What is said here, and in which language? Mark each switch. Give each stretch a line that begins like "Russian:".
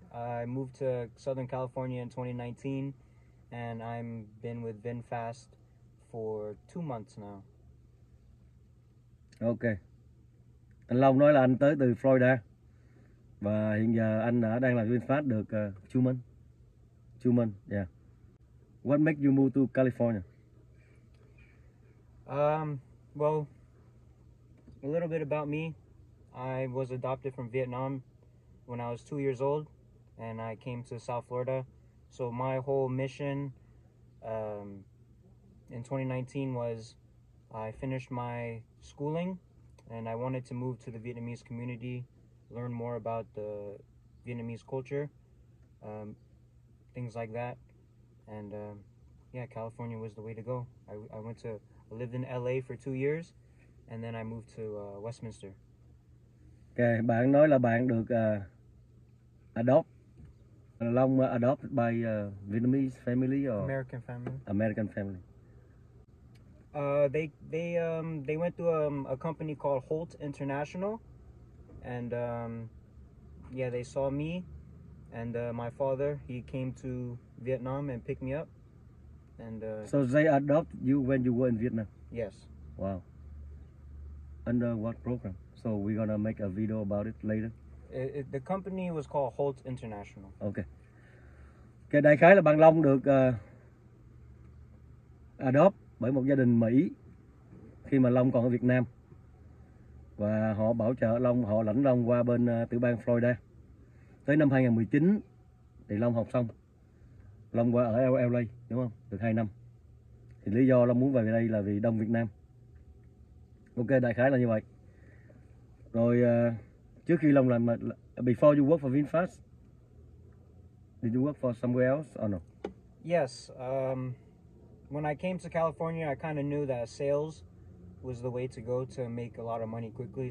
English: I moved to Southern California in 2019 and I've been with VinFast for 2 months now. Okay.
Vietnamese: Anh Long nói là anh tới từ Florida và hiện giờ anh đã đang làm VinFast được
English: 2 months. 2 months, yeah. What make you move to California? Well, a little bit about me. I was adopted from Vietnam when I was 2 years old and I came to South Florida. So my whole mission in 2019 was I finished my schooling and I wanted to move to the Vietnamese community, learn more about the Vietnamese culture, things like that. And yeah, California was the way to go. I lived in LA for 2 years and then I moved to Westminster. Okay.
Vietnamese: Bạn nói là bạn được
English: adopted by Vietnamese family or American family? American family. They went to a company called Holt International, and yeah, they saw me, and my father. He came to Vietnam and picked me up, and so they adopted you when you were in Vietnam. Yes. Wow. Under what program? So we're gonna make a video about it later. The company was called Holt International. Okay.
Vietnamese: Cái đại khái là bạn Long được adopt bởi một gia đình Mỹ khi mà Long còn ở Việt Nam. Và họ bảo trợ Long, họ lãnh Long qua bên tiểu bang Florida. Tới năm 2019 thì Long học xong. Long qua ở LA, đúng không? Được 2 năm. Thì lý do Long muốn về đây là vì đông Việt Nam. Ok, đại khái là như vậy. Rồi trước khi Long làm,
English: before you work for VinFast, did you work for somewhere else or no? Yes, when I came to California, I kind of knew that sales was the way to go to make a lot of money quickly.